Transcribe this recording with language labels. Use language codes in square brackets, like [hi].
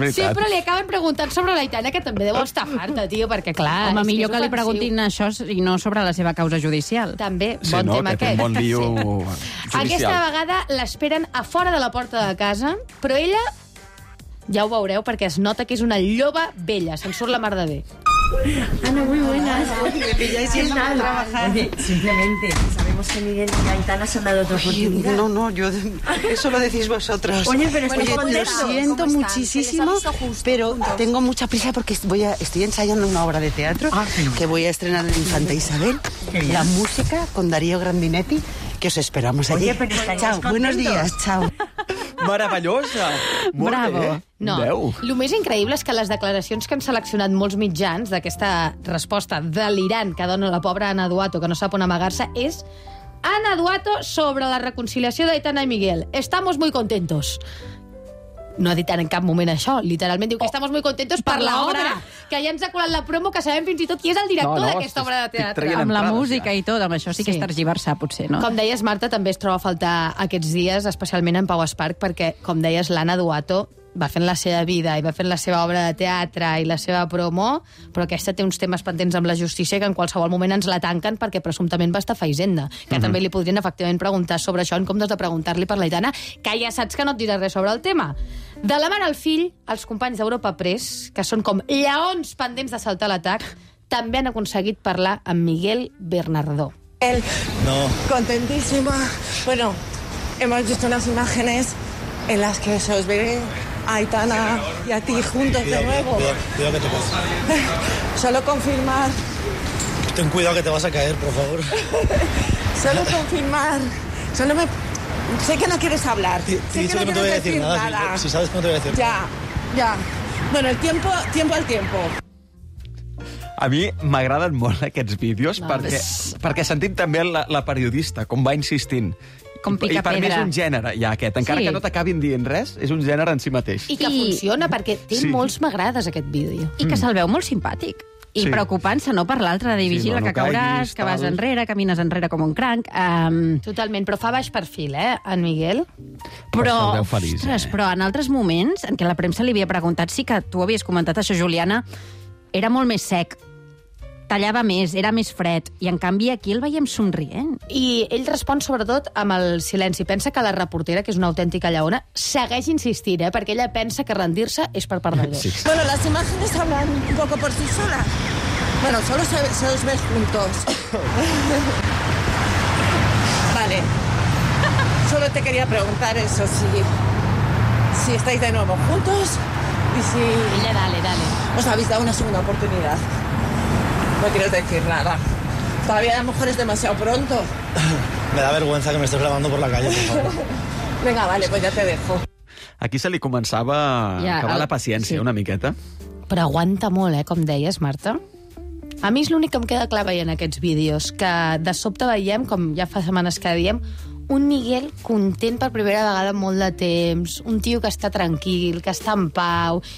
[ca] sempre li acaben preguntant sobre l'Aitana, que també deu estar farta, tio, perquè, clar... Home, millor que li preguntin això i no sobre la seva causa judicial. També, bon tema aquest. Sí, no, que té un bon lío judicial. Aquesta vegada l'esperen a fora de la porta de casa, però ella... Ja ho veureu, perquè es nota que és una lloba vella. Se'n surt la mar de bé. [es] Ana, muy buenas. Que ya es tiempo de trabajar. Simplemente, sabemos que Miguel y Aitana se han dado otra oportunidad. No, no, yo... Eso lo decís vosotras. Oye, pero estoy contenta. Lo siento muchísimo, pero tengo mucha prisa porque estoy ensayando una obra de teatro que voy a estrenar en Infanta Isabel. La música con Darío Grandinetti, que os esperamos allí. Oye, pero chao, buenos días, chao. [ca] Meravellosa. Bravo. Molt bé. No, el més increïble és que les declaracions que han seleccionat molts mitjans d'aquesta resposta delirant que dona la pobra Ana Duato, que no sap on amagar-se, és Ana Duato sobre la reconciliació d'Aitana i Miguel. [es] Estamos muy contentos. [ca] No ha dit en cap moment això. Literalment diu que [es] estamos muy contentos [ca] per l'obra. Que ja ens ha colat la promo, que sabem fins i tot qui és el director d'aquesta obra de teatre. Amb la música i tot, amb això sí que és tergiversar, potser, no? Com deies, Marta, també es troba a faltar aquests dies, especialment en Pau Espark, perquè, com deies, l'Ana Duato va fent la seva vida i va fent la seva obra de teatre i la seva promo, però aquesta té uns temes pendents amb la justícia que en qualsevol moment ens la tanquen perquè presumptament va estar a Hisenda, que també li podrien efectivament preguntar sobre això en comptes de preguntar-li per l'Aitana, que ja saps que no et dirà res sobre el tema. De la mare al fill, els companys d'Europa Press, que són com lleons pendents de saltar l'atac, també han aconseguit parlar amb Miguel Bernardó. El... No. Contentíssima. [es] Bueno, hemos visto unas imágenes en las que se os ve... Aitana y a ti juntos cuidado, de nuevo. Cuidado que te pasa. Solo confirmar. Ten cuidado que te vas a caer, por favor. Solo confirmar. Solo me. Sé que no quieres hablar. Te he dicho que no te voy a decir nada. Si sabes que no te voy a decir. Ya, ya. Bueno, el tiempo, tiempo al tiempo. [ca] A mi m'agraden molt aquests vídeos perquè sentim també la periodista, com va insistint. Com pica i per mi és un gènere, ja, aquest. Encara que no t'acabin dient res, és un gènere en si mateix. I que funciona, perquè té molts m'agrades, aquest vídeo. I que se'l veu molt simpàtic. I preocupant-se, no, per l'altre, de dir, la que cauràs, que vas enrere, camines enrere com un cranc. Totalment, però fa baix perfil, eh, en Miguel? Però, feliç, ostres, però en altres moments, en què la premsa li havia preguntat, sí que tu havies comentat això, Juliana, era molt més sec. Tallava més, era més fred, i en canvi aquí el veiem somrient. I ell respon sobretot amb el silenci. Pensa que la reportera, que és una autèntica lleona, segueix insistint, perquè ella pensa que rendir-se és per part de ella. Sí. [es] Bueno, las imágenes hablan un poco por sí solas. Bueno, solo se os ve juntos. Vale. Solo te quería preguntar eso, si estáis de nuevo juntos y si... Ella, dale, dale. Os habéis dado una segunda oportunidad. No quiero decir nada. Todavía a lo mejor es demasiado pronto. Me da vergüenza que me estés grabando por la calle. Venga, vale, pues ya te dejo. [ca] Aquí se li començava a acabar la paciència, una miqueta. Però aguanta molt, com deies, Marta. A mi és l'únic que em queda clar veient aquests vídeos, que de sobte veiem, com ja fa setmanes que diem, un Miguel content per primera vegada en molt de temps, un tio que està tranquil, que està en pau.